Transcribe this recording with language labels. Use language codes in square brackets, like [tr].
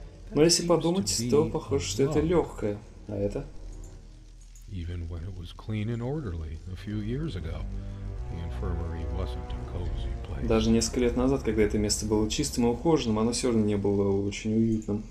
[ru] Но если подумать, то похоже, что это легкое. А это? [en] Even when it was clean and orderly a few years ago, the infirmary wasn't a cozy place. [ru] Даже несколько лет назад, когда это место было чистым и ухоженным, оно все равно не было очень уютным.